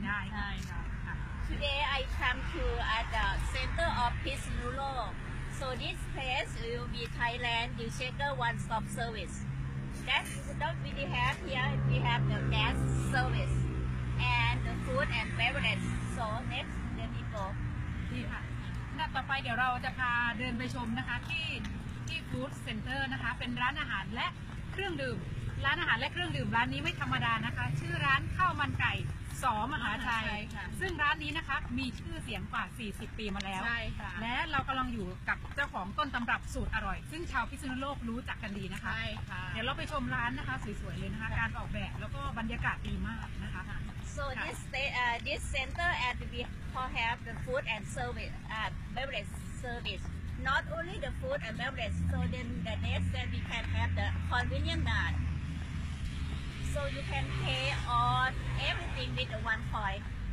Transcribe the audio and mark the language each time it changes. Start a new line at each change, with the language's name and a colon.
Thai: ได้ใช่ค่ะ
English: Today I come to at the center of Phitsanulok so this place will be Thailand Dealshaker one stop service that don't really have here we have the gas service and the food and beverage so next the people
Thai: ค่ะหน้าต่อไปเดี๋ยวเราจะพาเดินไปชมนะคะที่ฟู้ดเซ็นเตอร์นะคะเป็นร้านอาหารและเครื่องดื่มร้านอาหารและเครื่องดื่มร้านนี้ไม่ธรรมดานะคะชื่อร้านข้าวมันไก่สมหาชัยซึ่งร้านนี้นะคะมีชื่อเสียงกว่า40ปีมาแล้วและเรากำลังอยู่กับเจ้าของต้นตำรับสูตรอร่อยซึ่งชาวพิษณุโลกรู้จักกันดีนะคะ ใช่ค่ะ เดี๋ยวเราไปชมร้านนะคะสวยๆเลยนะคะการออกแบบแล้วก็บรรยากาศดีมากนะคะ
English: so this center at we have the food and service beverage service not only the food and beverage so then the next then we can have the convenience bar so you can pay on everything with the one point